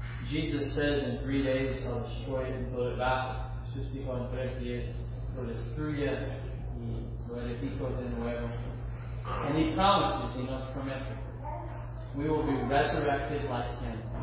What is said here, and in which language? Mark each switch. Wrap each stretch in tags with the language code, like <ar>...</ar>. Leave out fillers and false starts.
<en>Jesus says in 3 days I'll destroy it and build it back.</en> <es>Jesús dijo en 3 días lo destruye y lo edifico de nuevo.</es> <en>And he promises, he</en> <es>nos promete.</es> <en>We will be resurrected like him.</en>